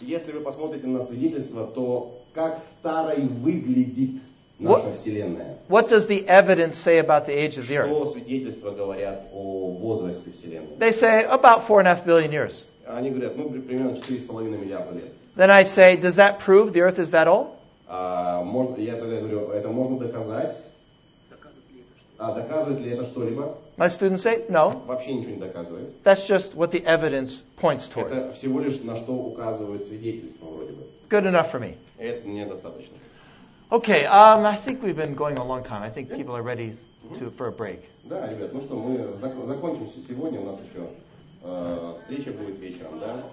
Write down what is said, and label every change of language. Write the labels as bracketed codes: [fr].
[ru] если вы посмотрите на свидетельство, то как старой выглядит наша вселенная? [en] What does the evidence say about the age of the earth? [ru] Что свидетельства говорят о возрасте вселенной? [en] They say about 4.5 billion years. [ru] Они говорят, ну примерно 4.5 миллиарда лет. [en] Then I say, does that prove the earth is that old? [ru] Я тогда говорю, это можно доказать? Доказывает ли это что-либо? [en] My students say, no. [ru] Вообще ничего не доказывает. [en] That's just what the evidence points toward. [ru] Это всего лишь на что указывает свидетельство вроде бы. [en] Good enough for me. [ru] Это мне достаточно. [en] Okay, I think we've been going a long time. I think people are ready for a break. [ru] Да, ребят, ну что, мы закончим сегодня. У нас еще встреча будет вечером, да?